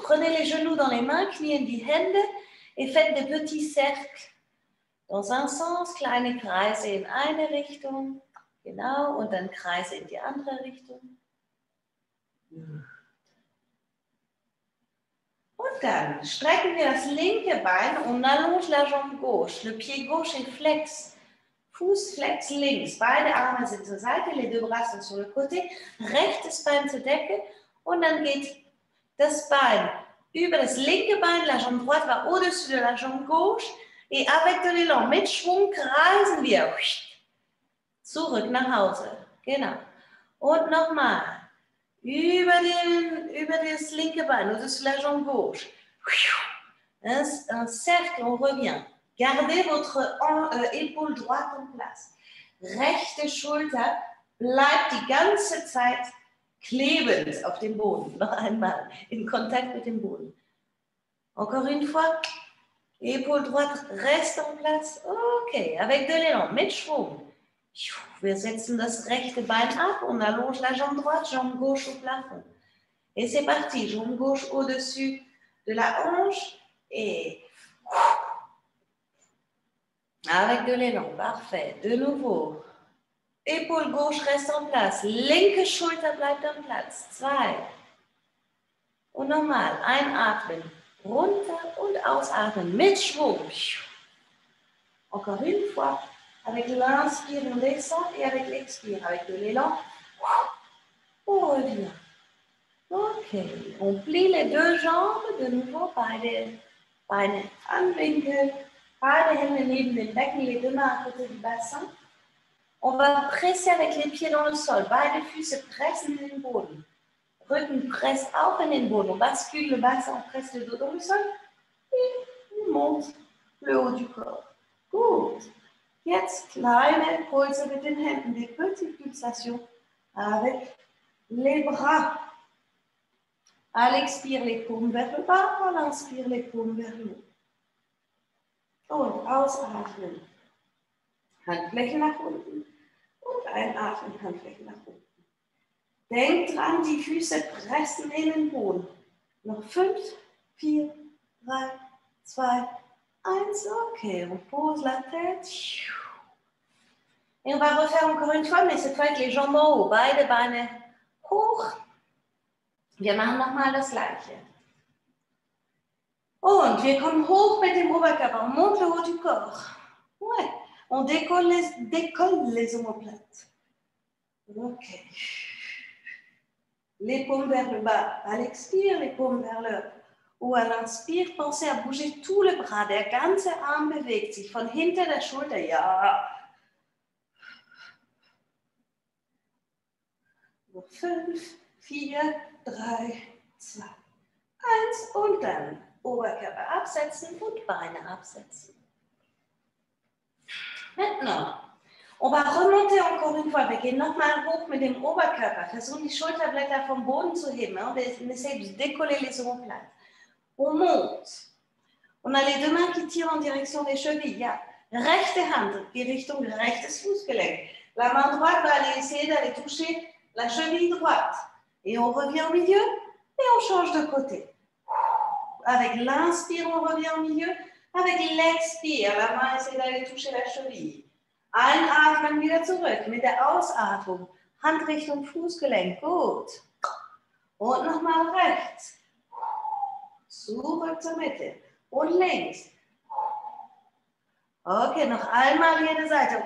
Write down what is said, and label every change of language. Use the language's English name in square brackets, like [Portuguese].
[French] Prenez les genoux dans les mains, [German] kniez die Hände [French] et faites des petits cercles. Dans un sens, [German] kleine Kreise in eine Richtung, genau, und dann Kreise in die andere Richtung. Und dann strecken wir das linke Bein und [French] allonge la jambe gauche. Le pied gauche est flex, [German] Fuß flex links. Beide Arme sind zur Seite, [French] les deux bras sont sur le côté. [German] Rechtes Bein zur Decke und dann geht das Bein über das linke Bein, [French] la jambe droite va au-dessus de la jambe gauche. Et avec de l'élan, [German] mit Schwung kreisen wir zurück nach Hause. Genau. Und nochmal. Über das linke Bein, [French] au-dessus de la jambe gauche. Un cercle, on revient. Gardez votre épaule droite en place. [German] Rechte Schulter bleibt die ganze Zeit klebend auf dem Boden. Noch einmal in Kontakt mit dem Boden. [French] Encore une fois. Épaule droite reste en place. Okay, avec de l'élan, [German] mit Schwung. [French] Wir setzen das rechte Bein ab und allonge la jambe droite, jambe gauche au plafond. Et c'est parti, jambe gauche au-dessus de la hanche et avec de l'élan, parfait. De nouveau, épaule gauche reste en place, [German] linke Schulter bleibt [French] en place. [German] Zwei. Und nochmal, einatmen, runter und ausatmen mit Schwung. [French] Encore une fois. Avec l'inspire, on descend et avec l'expire, avec de l'élan, on revient. Ok, on plie les deux jambes de nouveau, [German] beide Handwinkel, beide Hände neben den Becken, [French] les deux mains à côté du bassin. On va presser avec les pieds dans le sol, [German] beide Füße pressen in den Boden. Rücken presse auch in den Boden, [French] on bascule le bassin, on presse le dos dans le sol et on monte le haut du corps. Gut. [German] Jetzt kleine Pulse mit den Händen, die [French] petite pulsation avec les bras. À l'expire, les paumes vers le bas, à l'inspire, les paumes vers le haut. [German] Und ausatmen. Handflächen nach unten. Und einatmen, Handflächen nach unten. Denkt dran, die Füße pressen in den Boden. Noch 5, 4, 3, 2, 1. [French] Okay, repose la tête. Et on va refaire encore une fois, mais cette fois avec les jambes en haut, [German] beide Beine hoch. Wir machen nochmal das gleiche. Und wir kommen hoch mit dem Oberkörper, [French] on monte le haut du corps. Ouais, on décolle les omoplates. Ok. Les paumes vers le bas, à l'expire, les paumes vers le haut. Ou à l'inspire, pensez à bouger tout le bras, [German] der ganze Arm bewegt sich von hinter der Schulter, ja. Fünf, vier, drei, zwei, eins und dann Oberkörper absetzen und Beine absetzen. [French] Maintenant, on va remonter encore une fois. [German] Wir gehen nochmal hoch mit dem Oberkörper. Versuchen die Schulterblätter vom Boden zu heben. [French] On essaie de décoller les omoplates. On monte. On a les deux mains qui tirent en direction des chevilles. [German] Ja. Rechte Hand, die Richtung rechtes Fußgelenk. [French] La main droite va aller essayer d'aller toucher la cheville droite. Et on revient au milieu et on change de côté. Avec l'inspire, on revient au milieu. Avec l'expire, la main essaie d'aller toucher la cheville. [German] Einatmen, wieder zurück. Mit der Ausatmung, Hand Richtung Fußgelenk. Gut. Und nochmal rechts. Zurück zur Mitte. Und links. Okay, noch einmal jede Seite.